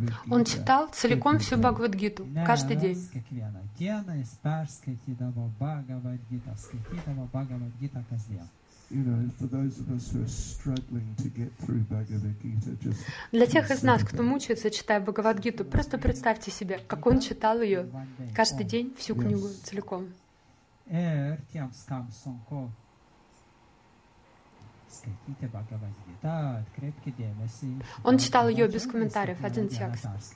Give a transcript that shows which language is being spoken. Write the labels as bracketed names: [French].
[Russian] Он читал целиком всю Бхагавад-гиту, каждый день. [English] You know, for those of us who are struggling to get through Bhagavad Gita, just. [Russian] Для тех из нас, кто мучается, читая Бхагавад Гиту, просто представьте себе, как он читал ее каждый день всю книгу целиком. Он читал ее без комментариев, один текст.